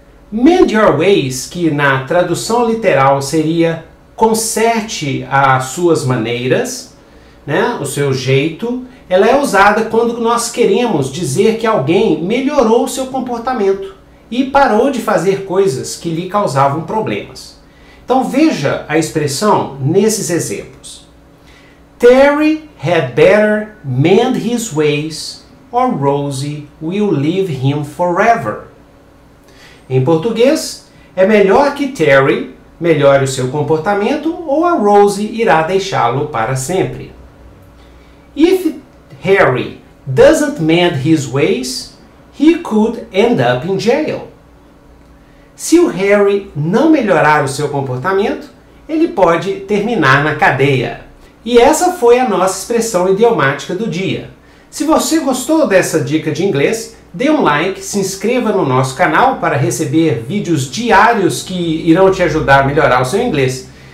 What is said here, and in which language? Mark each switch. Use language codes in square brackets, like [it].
[en] Mend your ways, [pt] que na tradução literal seria conserte as suas maneiras, né, o seu jeito, ela é usada quando nós queremos dizer que alguém melhorou o seu comportamento e parou de fazer coisas que lhe causavam problemas. Então veja a expressão nesses exemplos. [en] Terry had better mend his ways or Rosie will leave him forever. [pt] Em português, é melhor que Terry melhore o seu comportamento ou a Rosie irá deixá-lo para sempre. [en] If Harry doesn't mend his ways, he could end up in jail. [pt] Se o Harry não melhorar o seu comportamento, ele pode terminar na cadeia. E essa foi a nossa expressão idiomática do dia. Se você gostou dessa dica de inglês, dê um like, se inscreva no nosso canal para receber vídeos diários que irão te ajudar a melhorar o seu inglês.